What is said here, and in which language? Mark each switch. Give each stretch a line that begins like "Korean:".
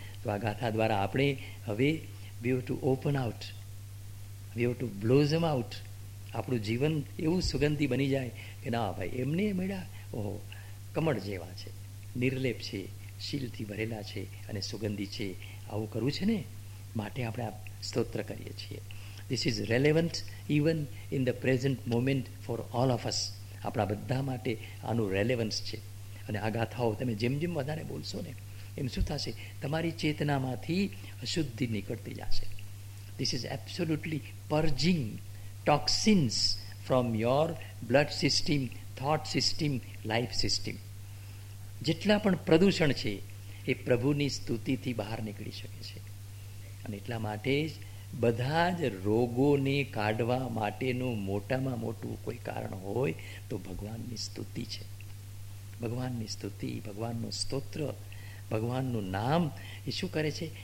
Gujarati: તો આ ગાથા દ્વારા આપણે હવે
English: We have to open out, we have to blossom out.
Gujarati: આપણું જીવન એવું સુગંધી બની જાય કે ના ભાઈ, એમને મળ્યા ઓહો, કમળ જેવા છે, નિર્લેપ છે, શીલથી ભરેલા છે અને સુગંધી છે. આવું કરવું છે ને, માટે આપણે આ સ્તોત્ર કરીએ છીએ.
English: This is relevant even in the present moment for all of us.
Gujarati: આપણા બધા માટે આનું રેલેવન્સ છે. અને આ ગાથાઓ તમે જેમ જેમ વધારે બોલશો ને એમ શું થશે, તમારી ચેતનામાંથી અશુદ્ધિ નીકળતી જશે.
English: This is absolutely purging toxins from your blood system, thought system, life system.
Gujarati: જેટલા પણ પ્રદૂષણ છે એ પ્રભુની સ્તુતિથી બહાર નીકળી શકે છે. અને એટલા માટે જ બધા જ રોગોને કાઢવા માટેનું મોટામાં મોટું કોઈ કારણ હોય તો ભગવાનની સ્તુતિ છે. ભગવાનની સ્તુતિ, ભગવાનનું સ્તોત્ર, ભગવાનનું નામ એ શું કરે છે?